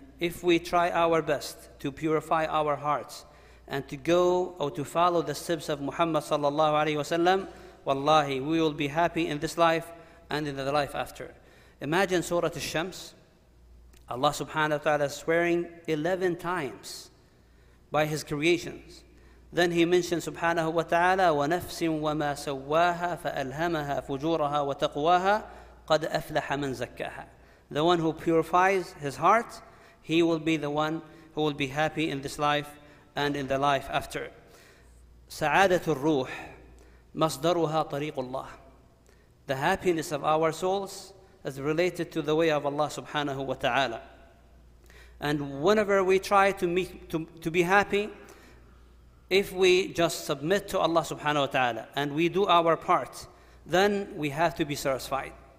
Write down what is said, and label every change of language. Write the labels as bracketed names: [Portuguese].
[English] If we try our best to purify our hearts and to go or to follow the steps of Muhammad sallallahu alayhi wa sallam, wallahi, we will be happy in this life and in the life after. Imagine Surah Al-Shams. Allah subhanahu wa ta'ala is swearing 11 times by his creations. Then he mentions subhanahu wa ta'ala, [Arabic] وَنَفْسٍ وَمَا سَوَّاهَا فَأَلْهَمَهَا فُجُورَهَا وَتَقْوَاهَا قَدْ أَفْلَحَ مَنْ زَكَّاهَا. [English] The one who purifies his heart, he will be the one who will be happy in this life and in the life after. [Arabic] سعادة الروح مصدرها طريق الله. [English] The happiness of our souls is related to the way of Allah subhanahu wa ta'ala. And whenever we try to be happy, if we just submit to Allah subhanahu wa ta'ala and we do our part, then we have to be satisfied.